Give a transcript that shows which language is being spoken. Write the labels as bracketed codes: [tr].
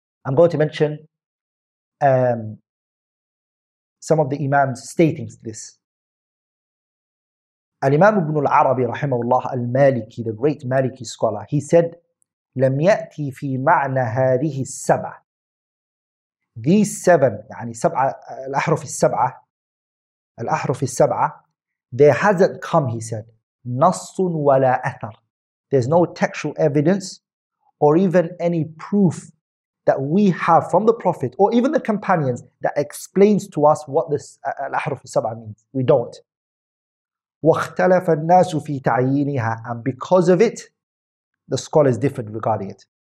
[en] I'm going to mention some of the Imams stating this. Al-Imam ibn al-Arabi rahimahullah al-Maliki, the great Maliki scholar, he said, [ar] لَمْ يَأْتِي فِي مَعْنَى هَذِهِ السَّبْعَ. [en] These seven, [ar] يعني سبعة, الأحرف السبعة, الأحرف السبعة, [en] there hasn't come, he said, [ar] نَصٌ وَلَا أَثَر. [en] There's no textual evidence or even any proof that we have from the Prophet or even the companions that explains to us what this al-ahruf al-sab'a means. We don't. [ar] وَاخْتَلَفَ النَّاسُ فِي تَعْيِينِهَا. [en] And because of it, the scholars differed regarding it.